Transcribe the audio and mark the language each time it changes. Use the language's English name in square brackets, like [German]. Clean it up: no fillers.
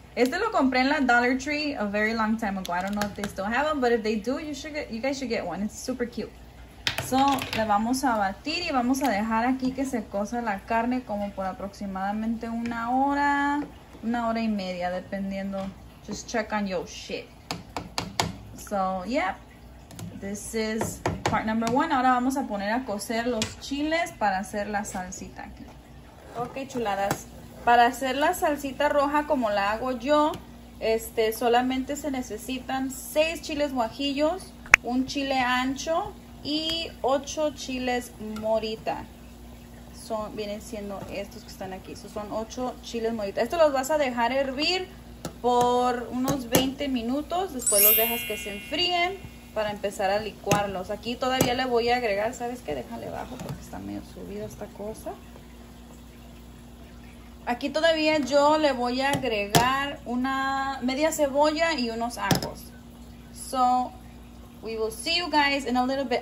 [Spanish] Este lo compré en la Dollar Tree [English] a very long time ago. I don't know if they still have them, but if they do, you guys should get one. It's super cute. [Spanish] So, le vamos a batir y vamos a dejar aquí que se cosa la carne como por aproximadamente una hora y media, dependiendo. [English] Just check on your shit. So, yeah. This is part number one. [Spanish] Ahora vamos a poner a cocer los chiles para hacer la salsita aquí. Ok, chuladas. Para hacer la salsita roja como la hago yo, solamente se necesitan 6 chiles guajillos, un chile ancho y 8 chiles morita. Vienen siendo estos que están aquí. So, son 8 chiles morita. Esto los vas a dejar hervir por unos 20 minutos. Después los dejas que se enfríen para empezar a licuarlos. Aquí todavía le voy a agregar, ¿sabes qué? Déjale bajo porque está medio subida esta cosa. Aquí todavía yo le voy a agregar una media cebolla y unos ajos. [English] So, we will see you guys in a little bit.